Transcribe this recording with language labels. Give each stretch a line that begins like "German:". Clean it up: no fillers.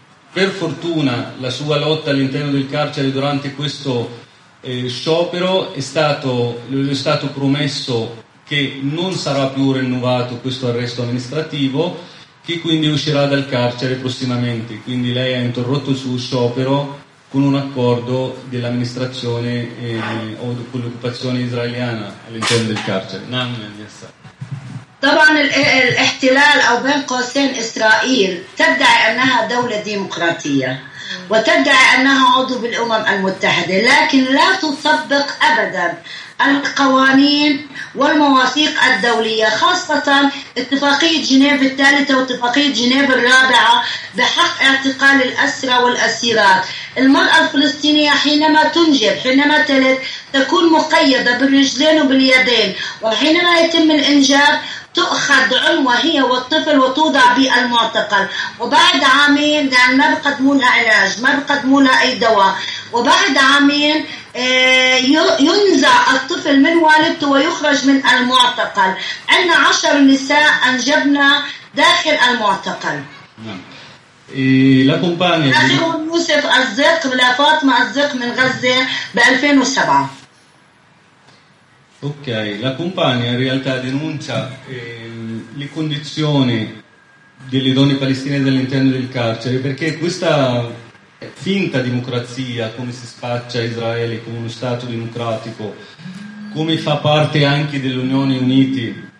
Italian: per fortuna la sua lotta all'interno del carcere durante questo sciopero è stato promesso che non sarà più rinnovato questo arresto amministrativo, che quindi uscirà dal carcere prossimamente. Quindi lei ha interrotto il suo sciopero con un accordo dell'amministrazione o con l'occupazione israeliana all'interno del carcere.
Arabic: طبعا الاحتلال او بين قوسين اسرائيل تدعي انها دولة ديمقراطية وتدعي انها عضو بالامم المتحدة، لكن لا تطبق ابدا القوانين والمواثيق الدولية، خاصة اتفاقية جنيف الثالثة واتفاقية جنيف الرابعة بحق اعتقال الأسرى والأسيرات. المرأة الفلسطينية حينما تنجب، حينما تلد، تكون مقيدة بالرجلين وباليدين، وحينما يتم الإنجاب تؤخذ عنوة هي والطفل وتوضع بالمعتقل، وبعد عامين يعني ما بقدموا لها علاج، ما بقدموا لها أي دواء، وبعد عامين ينزع الطفل من والدته ويخرج من المعتقل. عندنا 10 نساء أنجبنا داخل المعتقل. نعم.
Italian: لا كومباني
Arabic: اللي هو يوسف عزق لفاطمة عزق من غزة ب 2007.
Italian: Ok, la compagna in realtà denuncia le condizioni delle donne palestinesi all'interno del carcere, perché questa finta democrazia, come si spaccia Israele come uno stato democratico, come fa parte anche dell'Unione Unite,